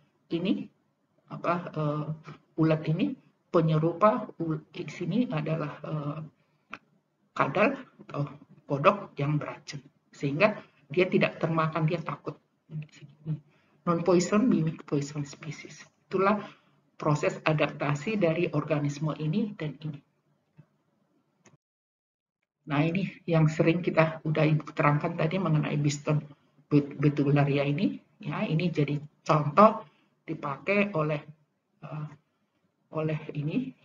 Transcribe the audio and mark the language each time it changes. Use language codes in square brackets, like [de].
[id] Ini apa, ulat ini penyerupa di sini adalah kadal atau kodok yang beracun, sehingga dia tidak termakan, dia takut. [en] Non-poison mimic poison species. [id] Itulah proses adaptasi dari organisme ini dan ini. Nah, ini yang sering kita udah terangkan tadi mengenai Bison betularia ini. Ya, ini jadi contoh dipakai oleh oleh ini.